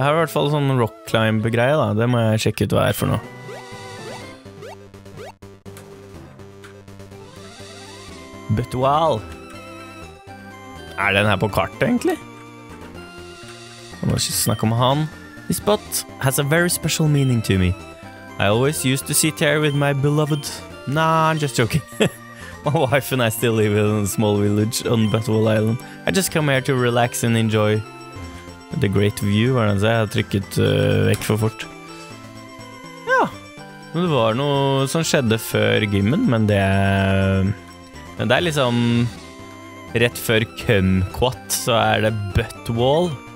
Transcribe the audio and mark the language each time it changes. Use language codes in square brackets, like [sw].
[no] Her er i hvert fall sånn rock climb greie da, det må jeg sjekke ut hva er for noe. Butual! Er den her på kartet egentlig? Jeg må ikke snakke om han. [en] This spot has a very special meaning to me. I always used to sit here with my beloved. Nah, I'm just joking. My wife and I still live in a small village on Battle Island. I just come here to relax and enjoy the great view. [no] Hva er det han sier? Jeg har trykket vekk for fort. Ja, det var noe som skjedde før gymmen, men det er liksom rett før Kumquat, så er det Buttwall.